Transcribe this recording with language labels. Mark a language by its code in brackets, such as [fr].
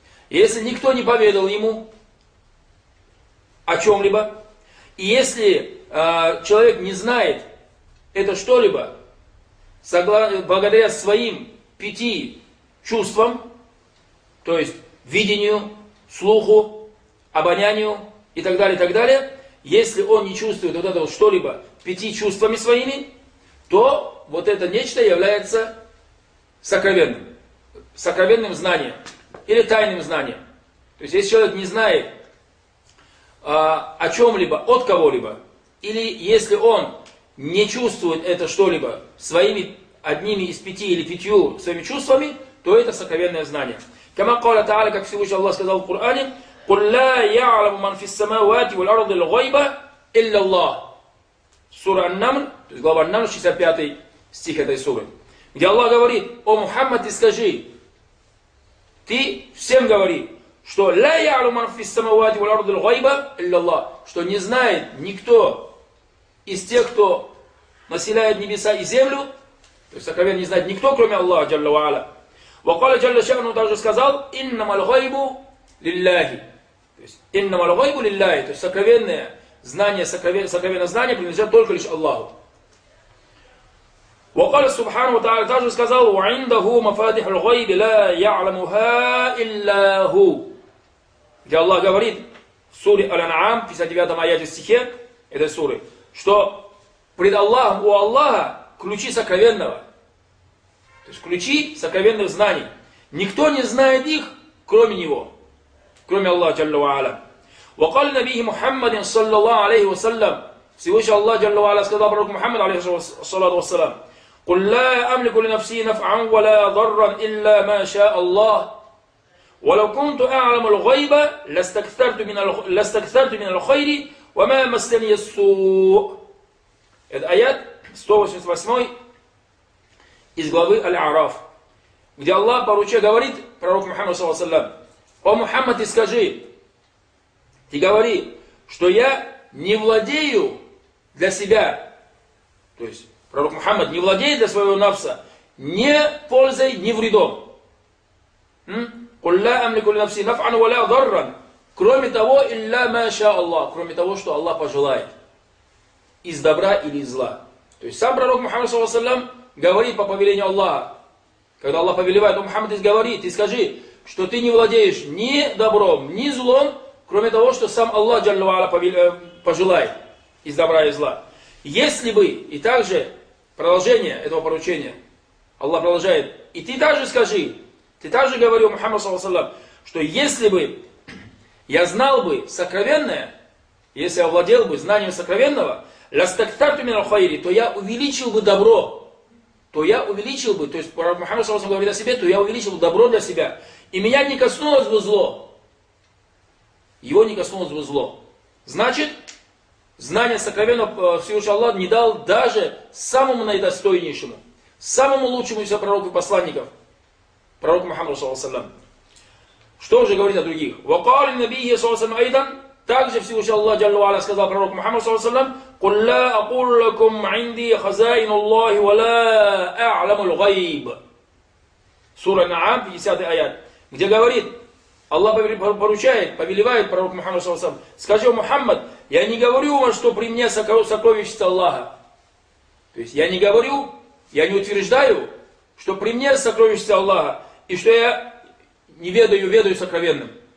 [ru] Если никто не поведал ему о чем-либо, и если человек не знает это что-либо благодаря своим пяти чувствам, то есть видению, слуху, обонянию и так далее, если он не чувствует вот это вот что-либо пяти чувствами своими, то вот это нечто является сокровенным знанием. Или тайным знанием. То есть, если человек не знает о чем-либо, от кого-либо, или если он не чувствует это что-либо своими одними из пяти или пятью своими чувствами, то это сокровенное знание. [ar] كما قال تعالى, [ru] как Всевышний Аллах сказал в Коране, [ar] قُلْ لَا يَعْلَمُ مَنْ فِي السَّمَوَاتِ وَالْأَرْضِ الْغَيْبَ إِلَّا اللَّهِ. [ru] Сура Ан-Наml, то есть глава Ан-Наml, 65 стих этой суры. Где Аллах говорит, о Мухаммад, ты скажи, ты всем говори, что [ar] ля яалу ман фис самавати валь ард аль-гайба илляллах, [ru] что не знает никто из тех, кто населяет небеса и землю, то есть сокровенно не знает никто, кроме Аллаха джалла ва аля. [ar] Ва кала джалла шану, [ru] также сказал, [ar] иннама аль-гайбу лиллахи. [ru] То есть [ar] иннама аль-гайбу лиллахи, [ru] то есть сокровенное знание, сокровенное знание принадлежит только лишь Аллаху. [ar] وقال سبحانه وتعالى [ru] также сказал [ar] وعنده مفاتيح الغيب لا يعلمها إلا هو. [ru] Где Аллах говорит в суре Аль-Ан'ам, 59 аяте стихе этой суры, что пред Аллахом, у Аллаха ключи сокровенного. То есть ключи сокровенных знаний. Никто не знает их, кроме него. Кроме Аллаха جلّ وعلا. [ar] وقال نبيه محمد صلى الله عليه وسلم. [ru] Всевышний Аллах جلّ وعلا сказал пророку Мухаммаду عليه الصلاة والسلام. [ar] قل لا أملك لنفسي نفعا ولا ضرا إلا ما شاء الله ولو كنت أعلم الغيب لاستكثرت من الخير وما مسني السوء. [ru] Это аят 188 из главы Аль-Араф, где Аллах поручил, говорит пророк Мухаммад саллаллаху алейхи ва саллям, о Мухаммад, скажи, ты говори, что я не владею для себя, то есть пророк Мухаммад не владеет для своего нафса ни пользой, ни вредом. [ar] قُلْ لَا أَمْلِكُ لِنَفْسِي نَفْعًا وَلَا ضَرًّا. [ru] Кроме того, [ar] إِلَّا مَا شَاءَ اللَّهُ. [ru] Кроме того, что Аллах пожелает. Из добра или из зла. То есть сам пророк Мухаммад саллаллаху алейхи ва саллям говорит по повелению Аллаха. Когда Аллах повелевает, то Мухаммад говорит, ты скажи, что ты не владеешь ни добром, ни злом, кроме того, что сам Аллах جل وعلا пожелает. Из добра и зла. Если бы, и также продолжение этого поручения, Аллах продолжает, и ты также скажи, ты также говори о Мухаммаде саллаллаху алейхи ва саллям, что если бы я знал бы сокровенное, если я владел бы знанием сокровенного, [ar] ластактарту мин аль-хайри, [ru] то я увеличил бы добро. То я увеличил бы, то есть пророк Мухаммад саллаллаху алейхи ва саллям говорит о себе, то я увеличил бы добро для себя. И меня не коснулось бы зло. Его не коснулось бы зло. Значит, знание сокровенного Всевышнего Аллаха не дал даже самому наидостойнейшему, самому лучшему из пророков и посланников, пророку Мухаммаду саллаллаху алейхи ва саллям. Что же говорить о других? [ar] وقال النبي صلى الله عليه وسلم أيضا [ru] также Всевышний Аллах [ar] جل وعلا [ru] сказал пророку Мухаммаду [ar] صلى الله عليه وسلم قل لا أقول لكم عندي خزائن الله ولا أعلم الغيب. [ru] Сура Наам, 50 аят, где говорит, Аллах поручает, повелевает пророку Мухаммаду صلى الله عليه وسلم, скажи Мухаммад, я не говорю вам, что при мне сокровищница Аллаха. То есть я не говорю, я не утверждаю, что при мне сокровищница Аллаха и что я не ведаю, ведаю сокровенным.